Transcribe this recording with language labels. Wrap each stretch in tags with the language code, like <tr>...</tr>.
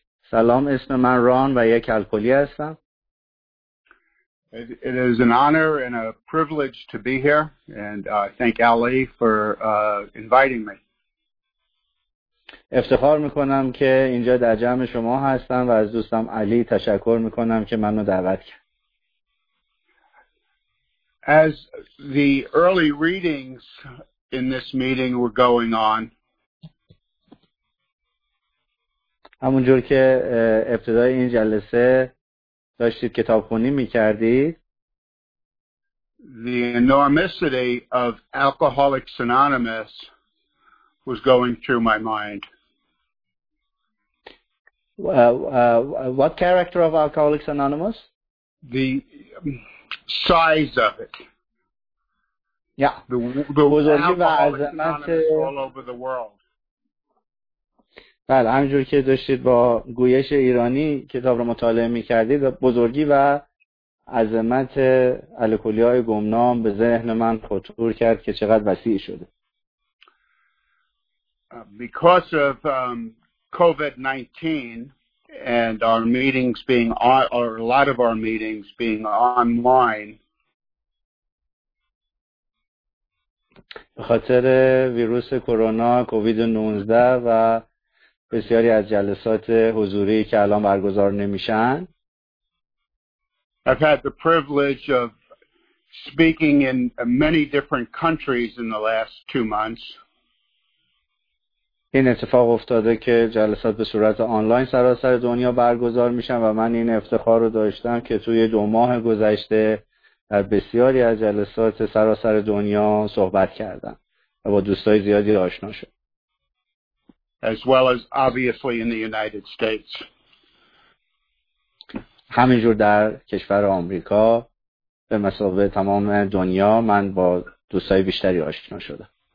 <fa>سلام، اسم من ران و یک الکلی هستم.</fa> <en>It is an honor and a privilege to be here, and thank Ali for inviting me.</en> <fa>افتخار میکنم که اینجا در جمع شما هستم و از دوستم علی تشکر میکنم که منو دعوت کرد.</fa> <en>As the early readings in this meeting were going on,</en> <fa>همونجور که ابتدای این جلسه داشتید کتاب خونی میکردید،</fa> <en>the enormity of Alcoholics Anonymous was going through my mind. What character of Alcoholics Anonymous? The size of it. Yeah. The Alcoholics Anonymous all over the world.</en> <fa>بله، همینجور که داشتید با گویش ایرانی کتاب رو مطالعه میکردید، بزرگی و عظمت الکلی های گمنام به ذهن من خطور کرد که چقدر وسیع شده.</fa> <en>Because of COVID-19 and our meetings being on, or a lot of our meetings being online.</en> <fa>به خاطر ویروس کرونا COVID-19 و بسیاری از جلسات حضوری که الان برگزار نمیشن.</fa> <en>I've had the privilege of speaking in many different countries in the last 2 months.</en> <fa>این اتفاق افتاده که جلسات به صورت آنلاین سراسر دنیا برگزار میشن و من این افتخار رو داشتم که توی 2 ماه گذشته در بسیاری از جلسات سراسر دنیا صحبت کردم و با دوستای زیادی آشنا شدم.</fa> <en>As well as obviously in the United States.</en> <fa>همینجور در کشور آمریکا به مسابقه تمام دنیا من با دوستای بیشتری آشنا شدم.</fa>